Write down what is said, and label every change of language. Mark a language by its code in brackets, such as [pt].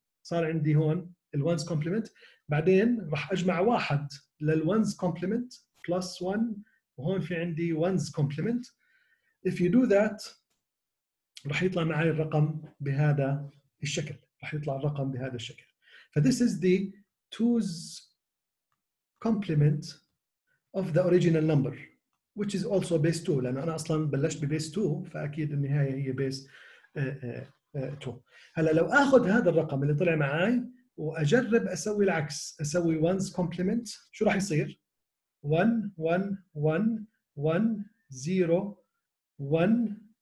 [ar] صار عندي هون الونز كومبلمنت. بعدين راح اجمع واحد للونز كومبلمنت بلس 1 وهون في عندي ونز كومبلمنت. [en] If you do that [ar] راح يطلع معي الرقم بهذا الشكل. راح يطلع الرقم بهذا الشكل. [en] فthis is the two's complement of the original number which is also base 2. [ar] لأن أنا أصلاً بلشت ببيس 2 فأكيد النهاية هي بيس 2. هلأ لو أخذ هذا الرقم اللي طلع معاي وأجرب أسوي العكس أسوي ones complement شو راح يصير؟ 1 1 1 1 0 1.